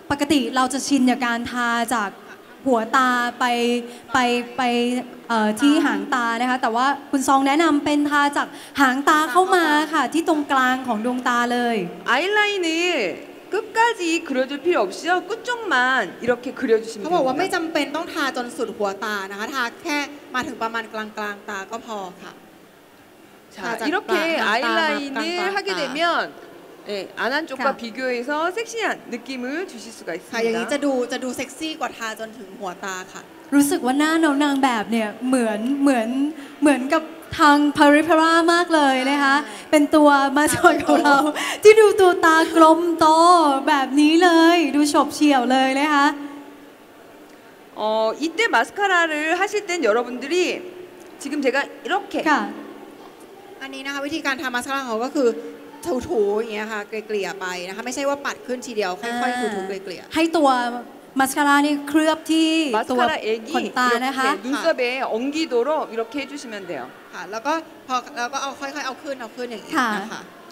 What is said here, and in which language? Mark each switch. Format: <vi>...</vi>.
<th>ปกติเราจะชินกับการทาจากหัวตาไปที่หางตานะคะแต่ว่าคุณซองแนะนำเป็นทาจากหางตาเข้ามาค่ะที่ตรงกลางของดวงตาเลย อายไลน์นี่</th> <ko>끝까지그려줄필요없이요끝쪽만이렇게그려주시면 됩니다</ko> <th>เขาบอกว่าไม่จำเป็นต้องทาจนสุดหัวตานะคะทาแค่มาถึงประมาณกลางตาก็พอค่ะ</th> <ko>자 이렇게 아이라인을 하게 되면 예 안한 쪽과 비교해서 섹시한 느낌을 주실 수가 있습니다</ko> <th>อย่างนี้จะดูเซ็กซี่กว่าทาจนถึงหัวตาค่ะ รู้สึกว่าหน้าน้องนางแบบเนี่ยเหมือนกับทาง Perifera มากเลยนะคะเป็นตัวมาชนของเราที่ดูตัวตากลมโตแบบนี้เลยดูฉบเฉี่ยวเลยนะคะ</th> <ko>이때마스카라를하실땐여러분들이지금제가이렇게</ko> <th>ค่ะ อันนี้นะคะวิธีการทามาสคาร่าของก็คือถูๆอย่างเงี้ยค่ะเกลี่ยๆไปนะคะไม่ใช่ว่าปัดขึ้นทีเดียวค่อยๆถูๆเกลี่ย ๆให้ตัวมาสคาร่านี่เคลือบที่ตัวขนตานะคะ ดูสเบย์องกิโดโร่อิโรเคจูชิเมนเดียว ค่ะแล้วก็พอแล้วก็เอาค่อยๆเอาขึ้นอย่างนี้นะคะ</th>